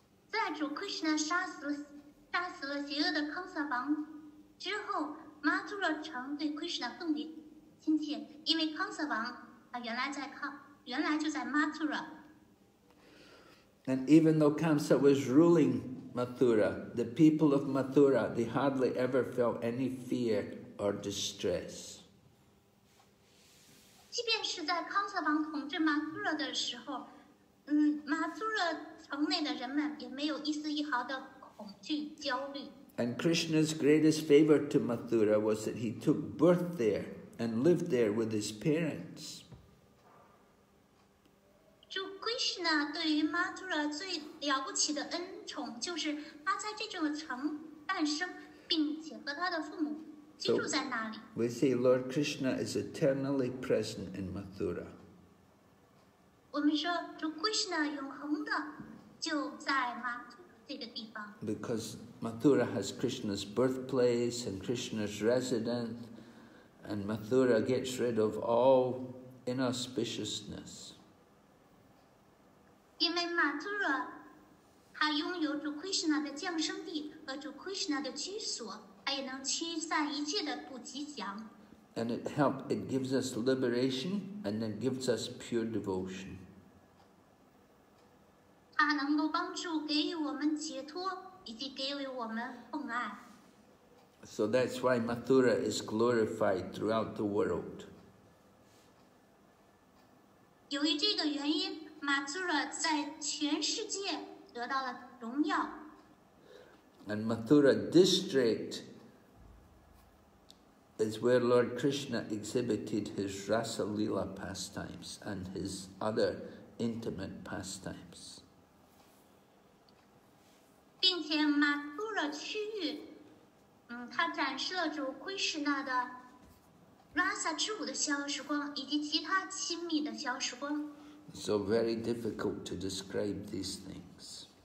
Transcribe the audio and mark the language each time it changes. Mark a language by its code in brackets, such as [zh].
[zh] 在主 Krishna 杀死了邪恶的康萨王之后， Mathura 城对 Krishna 更为亲切，因为康萨王原来就在 Mathura。 [en] And even though Kamsa was ruling Mathura, the people of Mathura they hardly ever felt any fear or distress. [zh] 即便是在康萨王统治 Mathura 的时候，马祖勒城内的人们也没有一丝一毫的恐惧焦虑。 [en] And Krishna's greatest favor to Mathura was that he took birth there and lived there with his parents. [zh] 主 Krishna 对于马祖勒最了不起的恩宠就是他在这种城诞生，并且和他的父母居住在那里。 [en] So, we see Lord Krishna is eternally present in Mathura. [zh] 我们说主 Krishna 永恒的就在 Mathura 这个地方。 [en] Because Mathura has Krishna's birthplace and Krishna's residence, and Mathura gets rid of all inauspiciousness. [zh] 因为 Mathura 它拥有主 Krishna 的降生地和主 Krishna 的居所，它也能驱散一切的不吉祥。 [en] And it gives us liberation and it gives us pure devotion. [zh] 它能够帮助给予我们解脱，以及给予我们奉爱。 [en] So that's why Mathura is glorified throughout the world. [zh] 由于这个原因， Mathura 在全世界得到了荣耀。 [en] And Mathura district is where Lord Krishna exhibited his Rasa Lila pastimes and his other intimate pastimes. [zh] 并且马杜勒区域，他展示了主奎什纳的拉萨之舞的消时光，以及其他亲密的消时光。 [en] So very difficult to describe these things.